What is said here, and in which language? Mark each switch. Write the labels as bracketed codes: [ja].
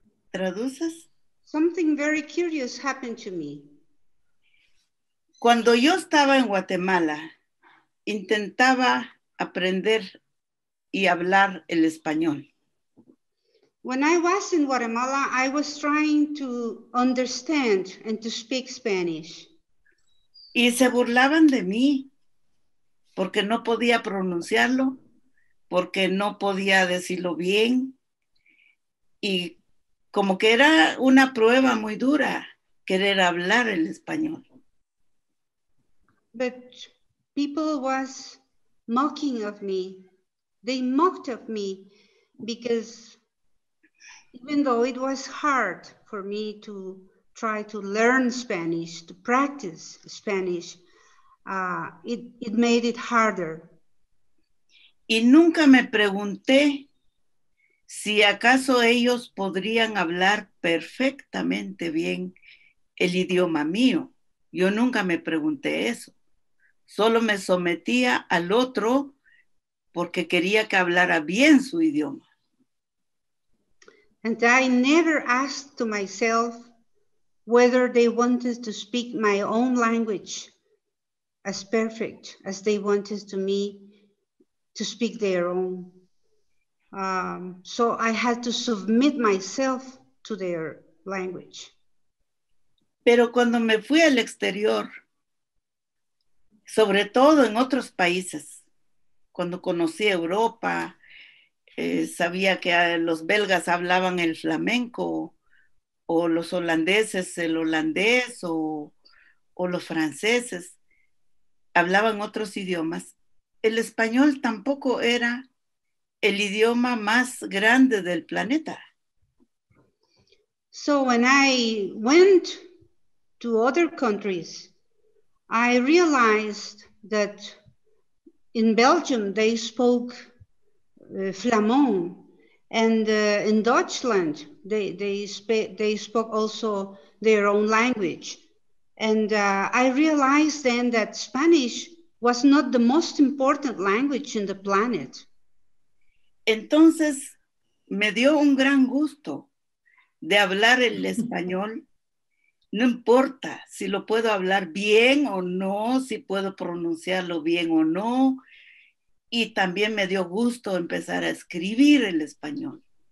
[es] ¿Traduces? [en] Something very curious happened to me. [es] Cuando yo estaba en Guatemala, intentaba aprender y hablar el español. [en] When I was in Guatemala, I was trying to understand and to speak Spanish. [es] Y se burlaban de mí porque no podía pronunciarlo, porque no podía decirlo bien, y como que era una prueba muy dura querer hablar el español. [en] But people was mocking of me. They mocked of me because even though it was hard for me to try to learn Spanish, to practice Spanish, it made it harder. [es] Y nunca me pregunté si acaso ellos podrían hablar perfectamente bien el idioma mío. Yo nunca me pregunté eso. Solo me sometía al otro porque quería que hablara bien su idioma. [en] And I never asked to myself whether they wanted to speak my own language as perfect as they wanted to me to speak their own. So I had to submit myself to their language. [es] Pero cuando me fui al exterior, sobre todo en otros países, cuando conocí Europa, sabía que los belgas hablaban el flamenco, o los holandeses el holandés, o los franceses hablaban otros idiomas. El español tampoco era el idioma más grande del planeta. [en] So when I went to other countries, I realized that in Belgium they spoke Flamand, and in Deutschland they spoke also their own language. And I realized then that Spanish was not the most important language in the planet. [es] Entonces, me dio un gran gusto de hablar el español. No importa si lo puedo hablar bien o no, si puedo pronunciarlo bien o no. Y también me dio gusto empezar a escribir el español.